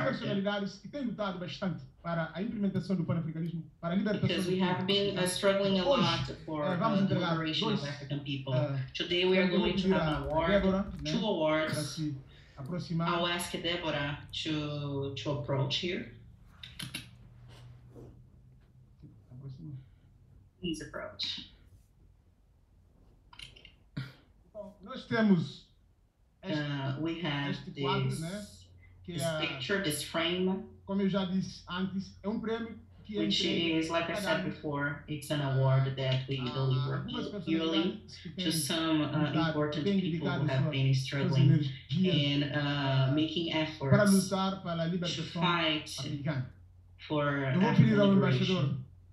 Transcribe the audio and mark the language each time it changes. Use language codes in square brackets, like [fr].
[pt] Personalidades que têm lutado bastante para a implementação do pan-africanismo, para a libertação. [en] Because we have been struggling a lot for the liberation of African people. Today we are going to have an award, Deborah, two awards. [pt] Para se aproximar. [en] I'll ask Deborah to approach here. Please approach. [pt] Bom, nós temos [en] we have [pt] este quadro, [en] this, né? This picture, this frame, [pt] como eu já disse antes, é um prêmio que é [en] which is, like I said before, it's an award that we deliver yearly to some important people who have been struggling in making efforts [pt] para lutar pela [en] to fight for African liberation.